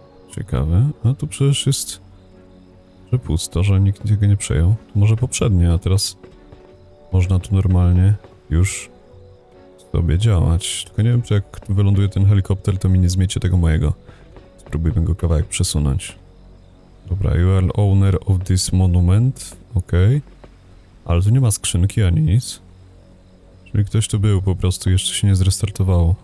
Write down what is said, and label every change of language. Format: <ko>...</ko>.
<pl>Ciekawe. A tu przecież jest... Że pusto, że nikt tego nie przejął. Może poprzednie, a teraz... Można tu normalnie już... sobie działać. Tylko nie wiem, czy jak wyląduje ten helikopter, to mi nie zmiecie tego mojego. Spróbujmy go kawałek przesunąć.</pl> <en>Dobra, you are owner of this monument.</en> <pl>Okej. Okay. Ale tu nie ma skrzynki ani nic. Czyli ktoś tu był po prostu, jeszcze się nie zrestartowało.</pl>